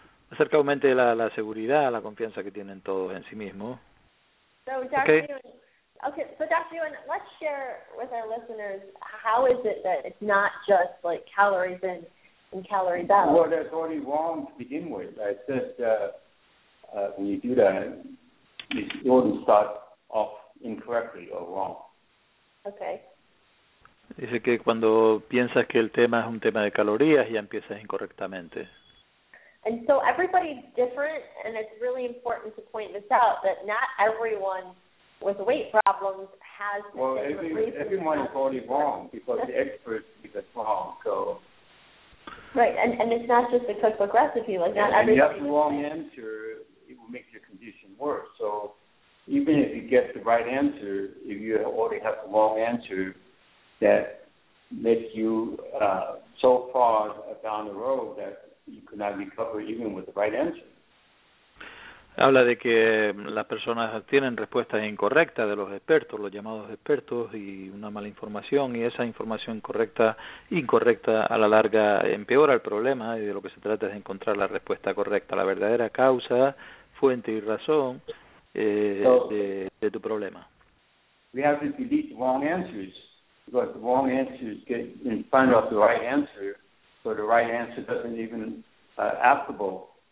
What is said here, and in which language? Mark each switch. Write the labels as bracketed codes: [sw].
[es] Acerca aumente la seguridad, la confianza que tienen todos en sí mismos. [en] So Jack, okay. Okay, so Dr. Ewan, let's share with our listeners, how is it that it's not just like calories in and calories out? Well, that's already wrong to begin with. It's just when you do that, you already start off incorrectly or wrong. Okay. [es] Dice que cuando piensas que el tema es un tema de calorías, ya empiezas incorrectamente. [en] And so everybody's different, and it's really important to point this out, that not everyone with weight problems has the same reason. Well, everyone is already wrong because the experts think it's wrong. So. Right, and it's not just the cookbook recipe. Like, not everybody. If you have the wrong answer, it will make your condition worse. So even if you get the right answer, if you already have the wrong answer, that makes you so far down the road that you could not recover even with the right answer. [es] Habla de que las personas tienen respuestas incorrectas de los expertos, los llamados expertos, y una mala información, y esa información incorrecta a la larga empeora el problema, y de lo que se trata es de encontrar la respuesta correcta, la verdadera causa, fuente y razón de tu problema. [en] We have to delete the wrong answers, because the wrong answers get in front of the right answer, so the right answer doesn't even applicable.